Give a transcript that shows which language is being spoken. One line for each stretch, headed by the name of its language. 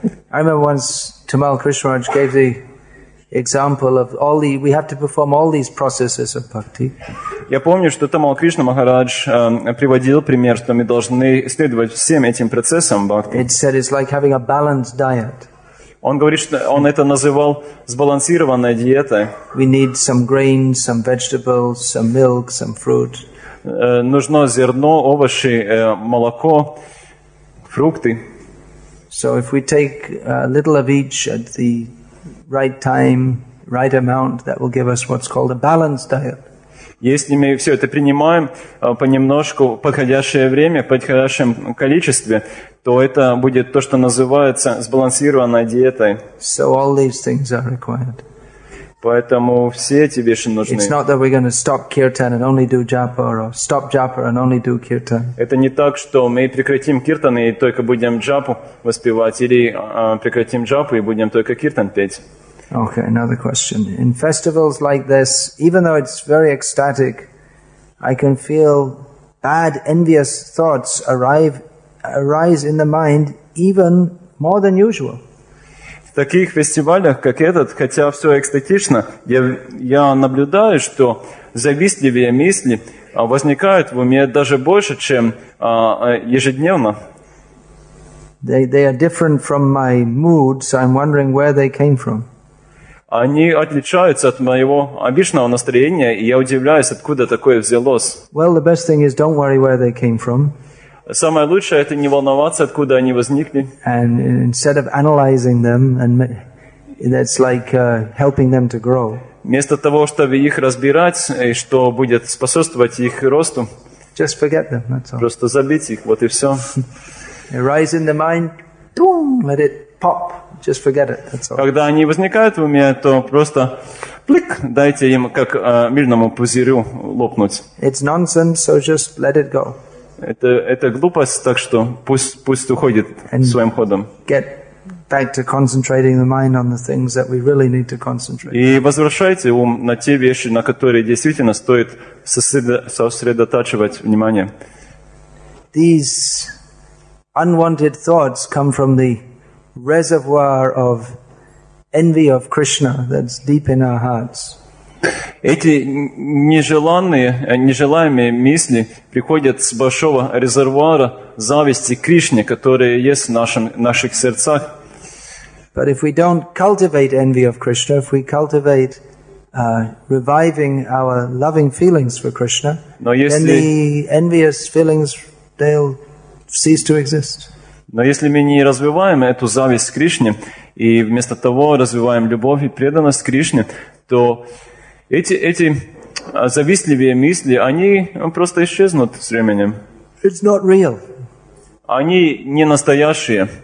English: I remember once Tamal Krishnaraj gave the example of we have to perform all these processes of bhakti.
Russian: Я помню, что Тамал Кришна Махарадж приводил пример, что мы должны следовать всем этим процессам бхакти.
English: It said it's like having a balanced diet.
Russian: Он говорит, что он это называл сбалансированной диетой.
English: We need some grains, some vegetables, some milk, some fruit.
Russian: Нужно зерно, овощи, молоко, фрукты.
English: So if we take a little of each at the right time, right amount, that will give us what's called a balanced diet.
Russian: Если мы все это принимаем понемножку, подходящее время, подходящем количестве, то это будет то, что называется сбалансированной диетой.
English: So all these things are required.
Russian: Поэтому все эти вещи нужны.
English: It's not that we're going to stop kirtan and only do japa, or stop japa and only do kirtan.
Russian: Это не так, что мы прекратим киртан и только будем джапу воспевать, или прекратим джапу и будем только киртан петь.
English: Okay, another question. In festivals like this, even though it's very ecstatic, I can feel bad, envious thoughts arise in the mind even more than usual.
Russian: В таких фестивалях, как этот, хотя все экстатично, я наблюдаю, что завистливые мысли возникают в уме даже больше, чем ежедневно.
English: They are different from my mood, so I'm wondering where they came from.
Russian: Они отличаются от моего обычного настроения, и я удивляюсь, откуда такое взялось.
English: Well, the best thing is don't worry where they came from.
Russian: Самое лучшее – это не волноваться, откуда они возникли.
English: And instead of analyzing them, and that's like helping them to grow.
Russian: Вместо того, чтобы их разбирать, и что будет способствовать их росту,
English: just forget them, that's all.
Russian: Просто забить их, вот и все.
English: Arise in the mind, boom, let it pop, just forget it, that's all.
Russian: Когда они возникают в уме, то просто плик, дайте им как мыльному пузырю лопнуть.
English: It's nonsense, so just let it go.
Russian: Это глупость, так что пусть уходит
English: and
Russian: своим ходом.
English: Get back to concentrating the mind on the things that we really need to concentrate.
Russian: И возвращайте ум на те вещи, на которые действительно стоит сосредотачивать внимание.
English: These unwanted thoughts come from the reservoir of envy of Krishna that's deep in our hearts.
Russian: Эти нежелаемые мысли приходят с большого резервуара зависти к Кришне, которая есть в наших сердцах.
English: But if we don't cultivate envy of Krishna, if we cultivate reviving our loving feelings for Krishna, then the envious feelings they'll cease to exist.
Russian: Но если мы не развиваем эту зависть к Кришне и вместо того развиваем любовь и преданность к Кришне, то Эти завистливые мысли, они просто исчезнут с временем.
English: It's not real.
Russian: Они не настоящие.